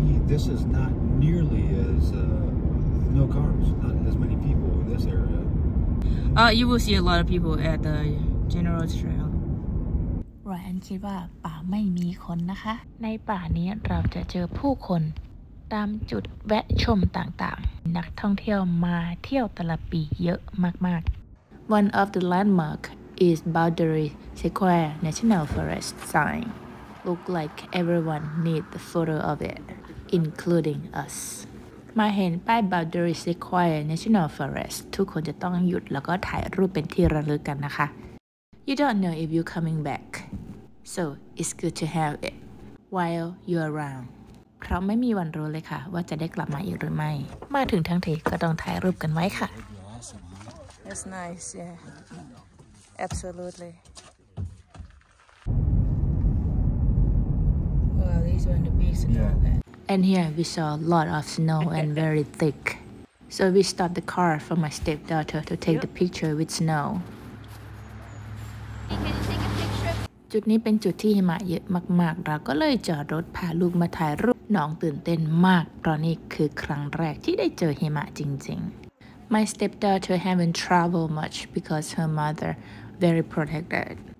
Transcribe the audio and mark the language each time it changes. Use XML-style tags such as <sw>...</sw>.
<en>This is not nearly as no cars, not as many people in this area. You will see a lot of people at the General Trail.</en> <th>Ryan คิดว่าป่าไม่มีคนนะคะในป่านี้เราจะเจอผู้คนตามจุดแวะชมต่างๆนักท่องเที่ยวมาเที่ยวแต่ละปีเยอะมาก</th> <en>ๆ One of the landmark is Boundary Square National Forest sign. Look like everyone need the photo of it. Including us.</en> <th>มาเห็นป้าย Boundary Sequoia National Forest ทุกคนจะต้องหยุดแล้วก็ถ่ายรูปเป็นที่ระลึกกันนะคะ</th> <en>You don't know if you're coming back. So it's good to have it while you're around.</en> <th>เพราะไม่มีวันรู้เลยค่ะว่าจะได้กลับมาอีกหรือไม่มาถึงทั้งทีก็ต้องถ่ายรูปกันไว้ค่ะ</th> <en>That's nice, yeah. Absolutely. Well, this one the big snow bed And here we saw a lot of snow and very thick. So we stopped the car for my stepdaughter to take the picture with snow. Hey, can you take a picture?</en> <th>จุดนี้เป็นจุดที่หิมะเยอะมากๆเราก็เลยจอดรถพาลูกมาถ่ายรูปน้องตื่นเต้นมากเพราะนี่คือครั้งแรกที่ได้เจอหิมะจริงๆ</th> <en>My stepdaughter haven't traveled much because her mother very protected</en>